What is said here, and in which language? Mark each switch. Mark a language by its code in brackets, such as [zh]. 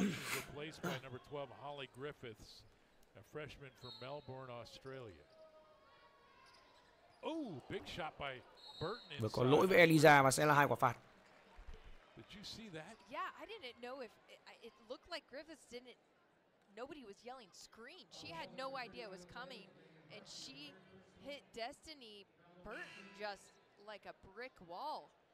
[en] She's replaced by number 12, Holly Griffiths, a freshman from Melbourne, Australia. Oh, big shot by Burton. [vi] Vừa có lỗi với Eliza mà sẽ là hai quả phạt. [en] Did you see that? Yeah, I didn't know if it looked like Griffiths didn't. Nobody was yelling screen. She had no idea it was coming, and she hit Destiny Burton just like a brick wall.